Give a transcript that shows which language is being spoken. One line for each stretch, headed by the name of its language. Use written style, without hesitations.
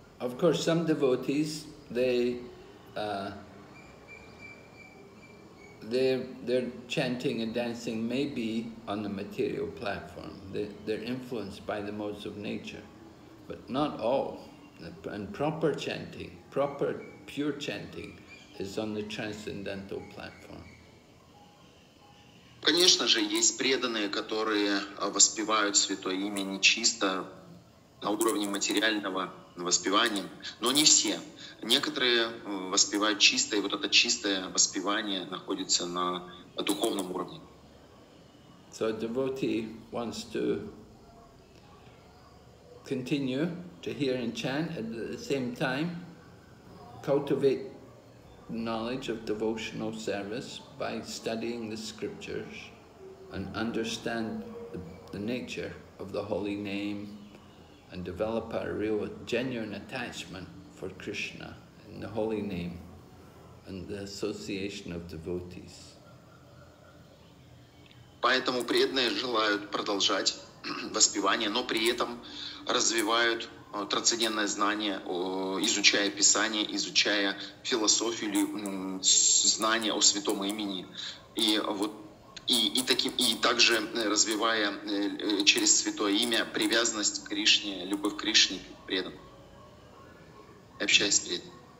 English: Of course, some devotees, their chanting and dancing may be on the material platform. They're influenced by the modes of nature, but not all. And proper chanting, proper pure chanting is on the transcendental platform.
Russian: Конечно же, есть преданные, которые воспевают святое имя нечисто на уровне материального воспевания, но не все. Некоторые воспевают чисто, и вот это чистое воспевание находится на духовном уровне.
English: So a devotee wants to continue to hear and chant at the same time, cultivate knowledge of devotional service by studying the scriptures and understand the nature of the holy name and develop a real genuine attachment for Krishna in the holy name and the association of devotees.
Russian: Поэтому преданные желают продолжать воспевание, но при этом развивают трансцендентное знание, изучая Писание, изучая философию или знание о святом имени. И, вот, и, таким, и также развивая через святое имя привязанность к Кришне, любовь к Кришне, преданным, общаясь с преданным.